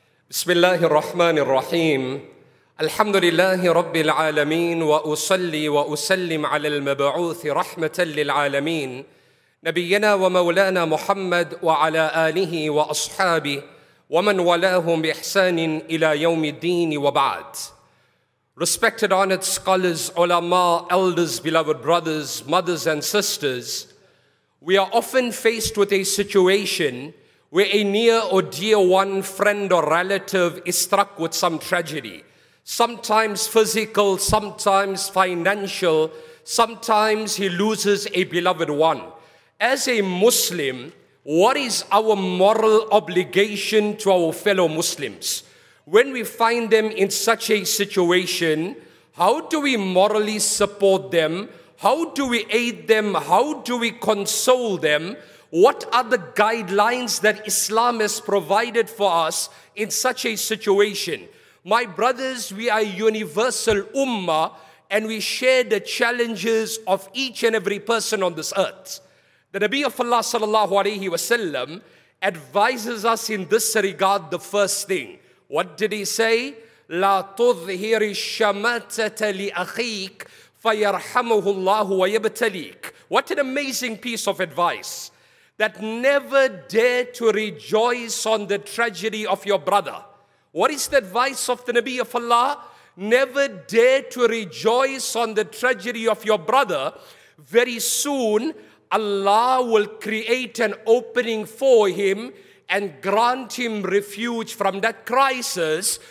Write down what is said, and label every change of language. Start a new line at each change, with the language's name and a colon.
Arabic: بسم الله الرحمن الرحيم. الحمد لله رب العالمين، وأصلي وأسلم على المبعوث رحمة للعالمين نبينا ومولانا محمد وعلى آله وأصحابه ومن ولاهم بإحسان إلى يوم الدين وبعد.
English: Respected honored scholars, ulama, elders, beloved brothers, mothers and sisters, we are often faced with a situation where a near or dear one, friend or relative is struck with some tragedy. Sometimes physical, sometimes financial, sometimes he loses a beloved one. As a Muslim, what is our moral obligation to our fellow Muslims? When we find them in such a situation, how do we morally support them? How do we aid them? How do we console them? What are the guidelines that Islam has provided for us in such a situation? My brothers, we are a universal ummah, and we share the challenges of each and every person on this earth. The Nabi of Allah sallallahu alayhi wa sallam advises us in this regard the first thing. What did he say?
Arabic: لا تظهر الشماتة لأخيك فيرحمه الله ويبتليك.
English: What an amazing piece of advice. That never dare to rejoice on the tragedy of your brother. What is the advice of the Nabi of Allah? Never dare to rejoice on the tragedy of your brother. Very soon, Allah will create an opening for him and grant him refuge from that crisis.